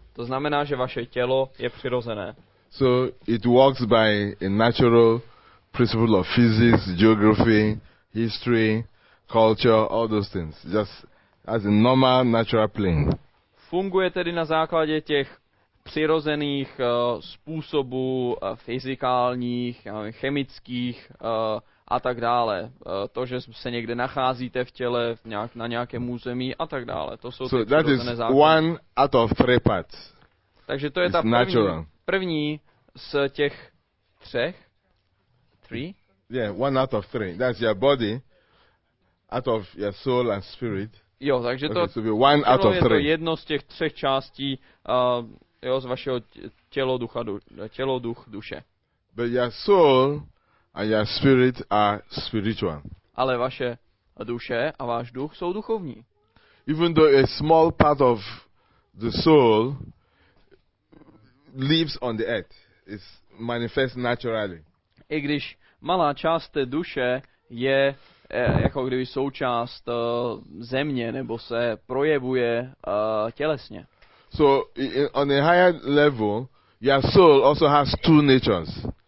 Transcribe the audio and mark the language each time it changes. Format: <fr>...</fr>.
<cs>To znamená, že vaše tělo je přirozené.</cs> <en>So it works by a natural principle of physics, geography, history, culture, all those things. Just as a normal natural plane.</en> <cs>Funguje tedy na základě těch přirozených způsobů fyzikálních, chemických a tak dále. To, že se někde nacházíte v těle na nějakém území a tak dále. To jsou ty přirozené základy.</cs> <en>One out of three parts.</en> <cs>Takže to je ta první z těch třech.</cs> <en>Three? Yeah, one out of three. That's your body, out of your soul and spirit.</en> <cs>Jo, takže to</cs> <en>okay, so one out of</en> <cs>je</cs> <en>three.</en> <cs>To jedno z těch třech částí jo, z vašeho tělo, ducha, tělo, duch, duše.</cs> <en>But your soul and your spirit are spiritual.</en> <cs>Ale vaše duše a váš duch jsou duchovní.</cs> <en>Even though a small part of the soul lives on the earth, it's manifest naturally.</en> <cs>I když malá část té duše je jako kdyby součást země nebo se projevuje tělesně.</cs> <en>So on a higher level, your soul also has two natures.</en>